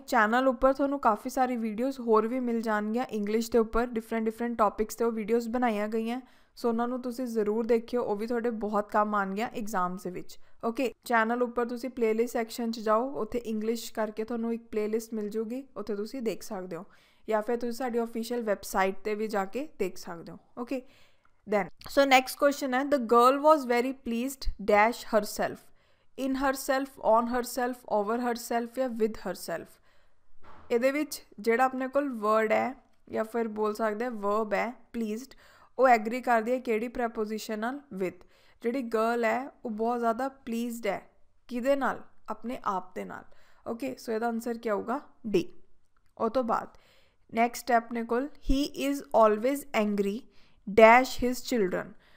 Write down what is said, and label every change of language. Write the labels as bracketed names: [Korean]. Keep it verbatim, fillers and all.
[Punjabi] Channel ਉੱਪਰ ਤੁਹਾਨੂੰ ਕਾਫੀ ਸਾਰੀ videos ਹੋਰ ਵੀ ਮਿਲ ਜਾਣਗੀਆਂ ਇੰਗਲਿਸ਼ ਦੇ ਉੱਪਰ ਡਿਫਰੈਂਟ ਡਿਫਰੈਂਟ ਟੌਪਿਕਸ 'ਤੇ ਉਹ ਵੀਡੀਓਜ਼ ਬਣਾਈਆਂ ਗਈਆਂ. ਸੋ ਉਹਨਾਂ ਨੂੰ ਤੁਸੀਂ ਜ਼ਰੂਰ ਦੇਖਿਓ ਉਹ ਵੀ ਤੁਹਾਡੇ ਬਹੁਤ ਕੰਮ ਆਉਣਗੀਆਂ ਐਗਜ਼ਾਮਸ ਦੇ ਵਿੱਚ. ਓਕੇ ਚੈਨਲ ਉੱਪਰ ਤੁਸੀਂ ਪਲੇਲਿਸਟ ਸੈਕਸ਼ਨ 'ਚ ਜਾਓ ਉੱਥੇ ਇੰਗਲਿਸ਼ ਕਰਕੇ ਤੁਹਾਨੂੰ ਇੱਕ ਪਲੇਲਿਸਟ ਮਿਲ ਜੂਗੀ ਉੱਥੇ ਤੁਸੀਂ ਦੇਖ ਸਕਦੇ ਹੋ ਜਾਂ ਫਿਰ ਤੁਸੀਂ ਸਾਡੀ ਆਫੀਸ਼ੀਅਲ ਵੈਬਸਾਈਟ 'ਤੇ ਵੀ ਜਾ ਕੇ ਦੇਖ ਸਕਦੇ ਹੋ. [English] okay Then, so next question [Hindi] है [English] the girl was very pleased dash herself, in herself, on herself, over herself या with herself. [Punjabi] ਇਹਦੇ ਵਿੱਚ ਜਿਹੜਾ ਆਪਣੇ ਕੋਲ ਵਰਡ ਹੈ ਜਾਂ ਫਿਰ ਬੋਲ ਸਕਦੇ verb ਹੈ pleased ਉਹ ਐਗਰੀ ਕਰਦੀ ਹੈ ਕਿਹੜੀ preposition ਨਾਲ with. ਜਿਹੜੀ girl ਹੈ ਉਹ ਬਹੁਤ ਜ਼ਿਆਦਾ pleased ਹੈ ਕਿਹਦੇ ਨਾਲ ਆਪਣੇ ਆਪ ਦੇ ਨਾਲ. ਓਕੇ ਸੋ ਇਹਦਾ ਆਨਸਰ ਕੀ ਹੋਊਗਾ ਡੀ. ਉਹ ਤੋਂ ਬਾਅਦ ਨੈਕਸਟ ਹੈ ਆਪਣੇ ਕੋਲ [English] he is always angry [Punjabi] dash his children.